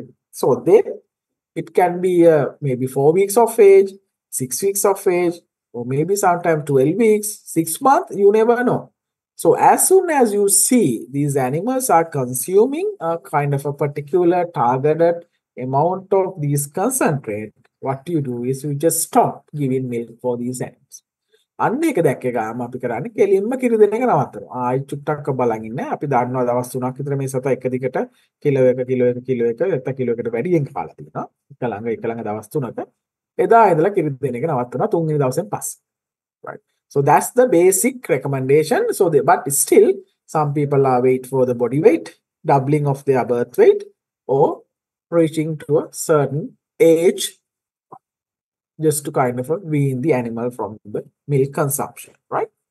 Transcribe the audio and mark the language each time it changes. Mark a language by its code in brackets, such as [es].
[en] So then it can be maybe 4 weeks of age, 6 weeks of age, or maybe sometime 12 weeks, 6 months, you never know. So as soon as you see these animals are consuming a kind of a particular targeted amount of these concentrate, what you do is you just stop giving milk for these animals. [si] අන්න එක දැක්ක ගාම අපි කරන්නේ කෙලින්ම කිරි දෙන එක නවත්තනවා. ආයි චුට්ටක් බලන් ඉන්න. අපි දන්නවා දවස් 3ක් විතර මේ සතා එක දිගට කිලෝ එක කිලෝ එක කිලෝ එක එත කිලෝ එකට වැඩියෙන් කපලා තිනවා. එක ළඟ දවස් 3ක. එදා ඉඳලා කිරි දෙන එක නවත්තනවා 3 වෙනි දවසෙන් පස්සේ. [en] Right. So that's the basic recommendation. So they, but still some people are wait for the body weight, doubling of their birth weight or reaching to a certain age just to kind of wean the animal from the milk consumption, right?